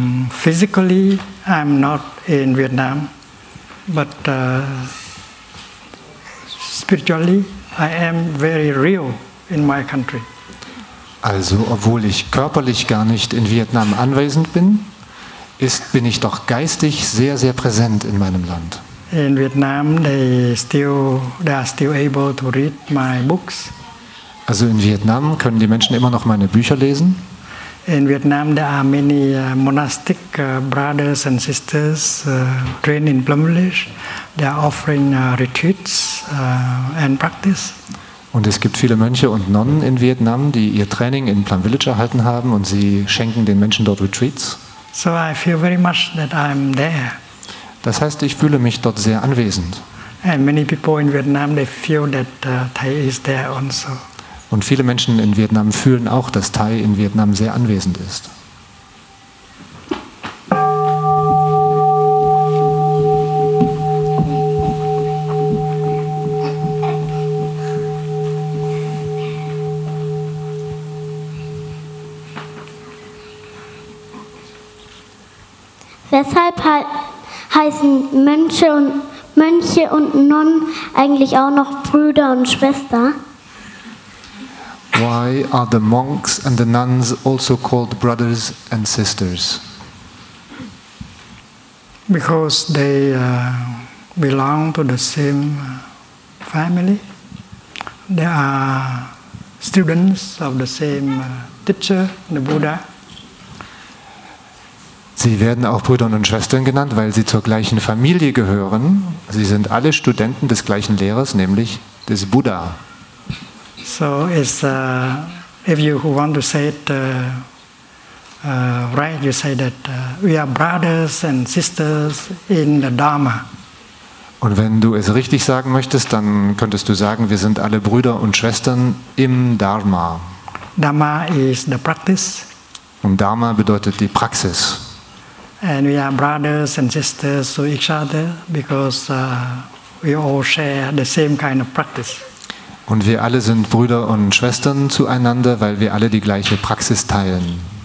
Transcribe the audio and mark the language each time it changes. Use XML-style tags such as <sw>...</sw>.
<en>Physically, I'm not in Vietnam, but spiritually, I am very real in my country.</en> <de>Also, obwohl ich körperlich gar nicht in Vietnam anwesend bin, bin ich doch geistig sehr, sehr präsent in meinem Land.</de> <en>In Vietnam, they are still able to read my books.</en> <de>Also in Vietnam können die Menschen immer noch meine Bücher lesen.</de> <en>In Vietnam, there are many monastic brothers and sisters trained in Plumlish. They are offering retreats and practice.</en> <de>Und es gibt viele Mönche und Nonnen in Vietnam, die ihr Training in Plum Village erhalten haben und sie schenken den Menschen dort Retreats.</de> <en>So I feel very much that I'm there.</en> <de>Das heißt, ich fühle mich dort sehr anwesend.</de> <en>And many people in Vietnam, they feel that Thai is there also.</en> <de>Und viele Menschen in Vietnam fühlen auch, dass Thai in Vietnam sehr anwesend ist. Weshalb heißen Mönche und Nonnen eigentlich auch noch Brüder und Schwestern?</de> <en>Why are the monks and the nuns also called brothers and sisters? Because they belong to the same family. They are students of the same teacher, the Buddha.</en> <de>Sie werden auch Brüder und Schwestern genannt, weil sie zur gleichen Familie gehören. Sie sind alle Studenten des gleichen Lehrers, nämlich des Buddha.</de> <en>So it's if you want to say it right, you say that we are brothers and sisters in the Dharma.</en> <de>Und wenn du es richtig sagen möchtest, dann könntest du sagen, wir sind alle Brüder und Schwestern im Dharma.</de> <en>Dharma is the practice.</en> <de>Und Dharma bedeutet die Praxis.</de> <en>And we are brothers and sisters to each other because we all share the same kind of practice.</en> <de>Und wir alle sind Brüder und Schwestern zueinander, weil wir alle die gleiche Praxis teilen.</de>